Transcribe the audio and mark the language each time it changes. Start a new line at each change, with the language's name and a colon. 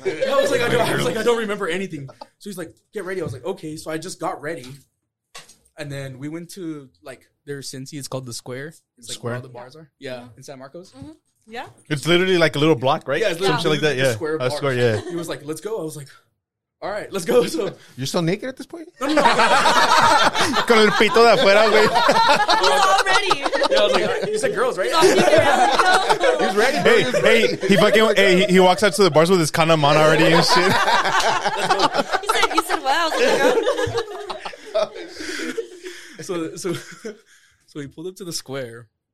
English: I was like, I don't remember anything. So he's like, get ready. I was like, okay. So I just got ready. And then we went to like their Cincy. It's called the Square. It's like Square. Where all the bars are. Yeah. In San Marcos. Mm-hmm. Yeah, it's literally like a little block, right? Yeah, some shit like that. Yeah, square, bars. Square. Yeah, he was like, "Let's go." I was like, "All right, let's go." So you're still naked at this point? No.
Spanish: Con el pito de afuera, güey.
English: Already. Yeah, I was like, "You said girls, right?" He's ready. Bro. Hey, he's ready. He fucking he walks out to the bars with his condom on already and shit. He said, "Wow." Well, so he pulled up to the square.